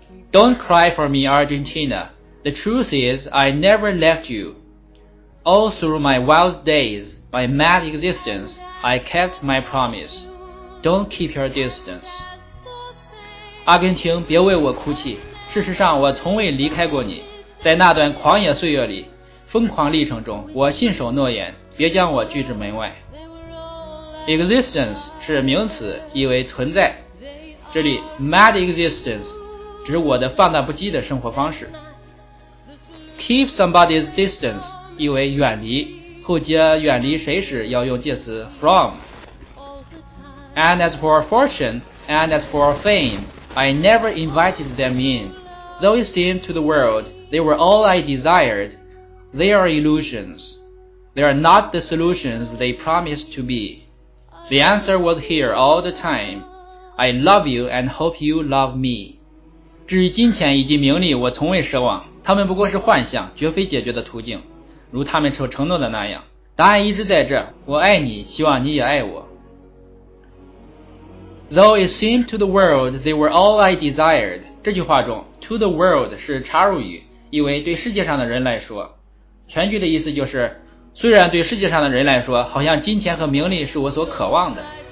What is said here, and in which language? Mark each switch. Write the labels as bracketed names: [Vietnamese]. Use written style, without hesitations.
[English] Don't cry for me Argentina, the truth is I never left you. All through my wild days, my mad existence, I kept my promise. Don't keep your distance. [Chinese] 阿根廷，别为我哭泣，事实上我从未离开过你，在那段狂野岁月里，疯狂历程中，我信守诺言，别将我拒之门外。 Existence 是名词，意为存在，这里 mad existence 指我的放荡不羁的生活方式。 [English] Keep somebody's distance [Chinese] 意为远离，后接远离谁时要用介词 from。 [English] And as for fortune, and as for fameI never invited them in. Though it seemed to the world they were all I desired, they are illusions. They are not the solutions they promised to be. The answer was here all the time. I love you and hope you love me. [Chinese] 至于金钱以及名利，我从未奢望，他们不过是幻象，绝非解决的途径，如他们所承诺的那样，答案一直在这，我爱你，希望你也爱我。 [English] Though it seemed to the world they were all I desired， [Chinese] 这句话中 [English] to the world [Chinese] 是插入语，意为对世界上的人来说。全句的意思就是，虽然对世界上的人来说，好像金钱和名利是我所渴望的。